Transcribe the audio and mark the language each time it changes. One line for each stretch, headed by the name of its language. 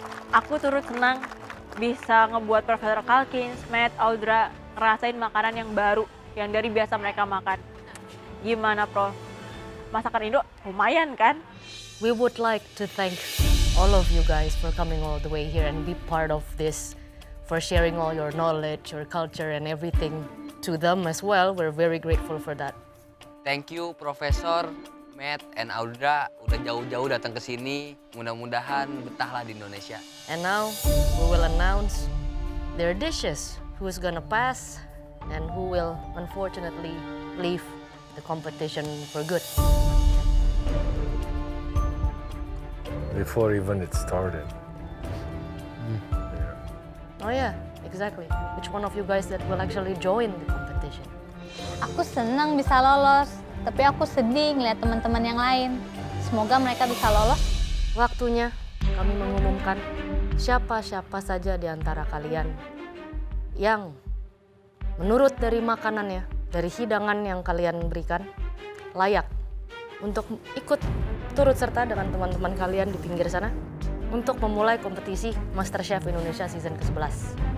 Indonesian: Aku turut senang bisa ngebuat Professor Calkins, Matt, Audra ngerasain makanan yang baru, yang dari biasa mereka makan. Gimana, Prof? Masakan Indo lumayan, kan?
English: We would like to thank all of you guys for coming all the way here and be part of this, for sharing all your knowledge, your culture, and everything to them as well. We're very grateful for that. Thank you,
Indonesian: Professor, Matt, and Audra, udah jauh-jauh datang ke sini. Mudah-mudahan betahlah di Indonesia.
English: And now, we will announce their dishes, who's gonna pass, and who will unfortunately leave the competition for good. Before even it started. Oh yeah, exactly. Which one of you guys that will actually join the competition?
Indonesian: Aku senang bisa lolos, tapi aku sedih ngeliat teman-teman yang lain. Semoga mereka bisa lolos. Waktunya kami mengumumkan siapa-siapa saja di antara kalian yang menurut dari makanannya, dari hidangan yang kalian berikan, layak untuk ikut turut serta dengan teman-teman kalian di pinggir sana untuk memulai kompetisi MasterChef Indonesia season ke-11.